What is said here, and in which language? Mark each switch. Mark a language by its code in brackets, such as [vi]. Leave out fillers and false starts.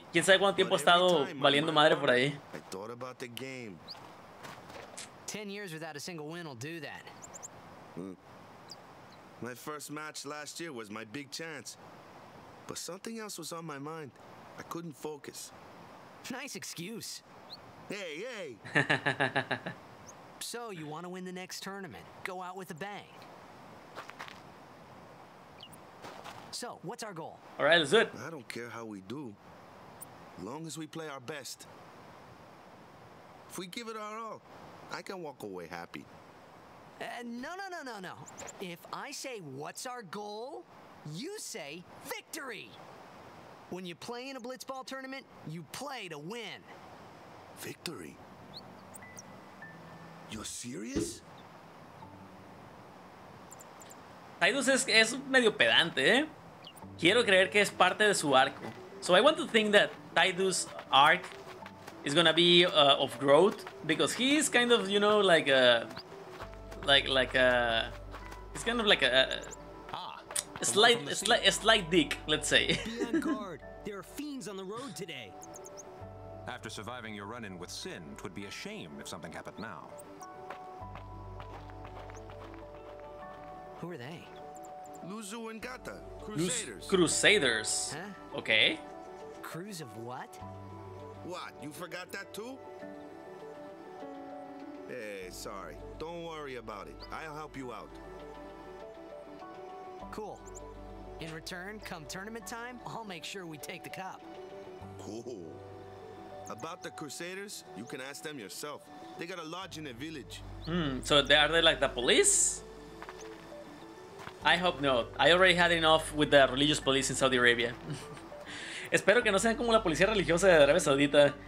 [es] ¿Quién sabe cuánto tiempo ha estado valiendo madre por ahí? [en] I thought about the game. 10 years without a single win will do that. My first match last year was my big chance. But something else was on my mind. I couldn't focus. Nice excuse. Hey, hey. So you want to win the next tournament? Go out with a bang. So, what's our goal? All right, let's do it. I don't care how we do. Long as we play our best. If we give it our all, I can walk away happy. No. If I say, what's our goal? You say victory. When you play in a blitzball tournament, you play to win. Victory? You're serious? [es] Tidus es medio pedante, ¿eh? Quiero creer que es parte de su arco. [en] So I want to think that Tidus' arc is gonna be of growth, because he's kind of, you know, like a... He's kind of like a... Slight dick, let's say. Be on guard. There are fiends on the road today. After surviving your run-in with Sin, 'twould be a shame if something happened now. Who are they? Luzu and Gata. Crusaders. Crusaders. Huh? Okay. Crews of what? What? You forgot that too? Hey, sorry. Don't worry about it. I'll help you out. Cool. In return, come tournament time, I'll make sure we take the cup. Cool. About the Crusaders, you can ask them yourself. They got a lodge in a village. So are they like the police? I hope not. I already had enough with the religious police in Saudi Arabia. [es] Espero que no sean como la policía religiosa de Arabia Saudita.